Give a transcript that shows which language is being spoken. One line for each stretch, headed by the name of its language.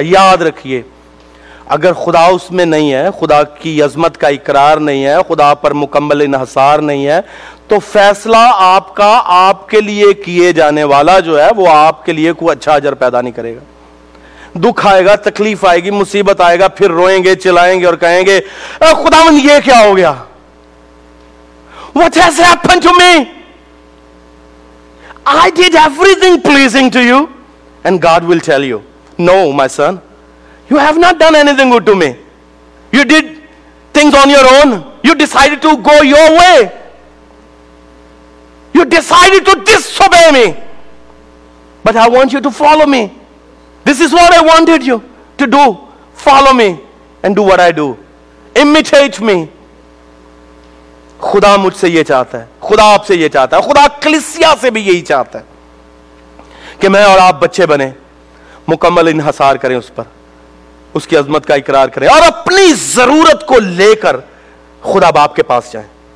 Urdu: یاد رکھیے, اگر خدا اس میں نہیں ہے, خدا کی عظمت کا اقرار نہیں ہے, خدا پر مکمل انحصار نہیں ہے, تو فیصلہ آپ کا آپ کے لیے کیے جانے والا جو ہے وہ آپ کے لیے کوئی اچھا اجر پیدا نہیں کرے گا. دکھ آئے گا, تکلیف آئے گی, مصیبت آئے گا, پھر روئیں گے, چلائیں گے اور کہیں گے خداوند یہ کیا ہو گیا,
English: What has happened to me? I did everything pleasing to you. And God will tell you, No, my son, you have not done anything good to me. You did things on your own. You decided to go your way. You decided to disobey me. But I want you to follow me. This is what I wanted you to do. Follow me and do what I do. Imitate me.
Urdu: خدا مجھ سے یہ چاہتا ہے, خدا آپ سے یہ چاہتا ہے, خدا کلیسیا سے بھی یہی چاہتا ہے کہ میں اور آپ بچے بنیں, مکمل انحصار کریں اس پر, اس کی عظمت کا اقرار کریں اور اپنی ضرورت کو لے کر خدا باپ کے پاس جائیں.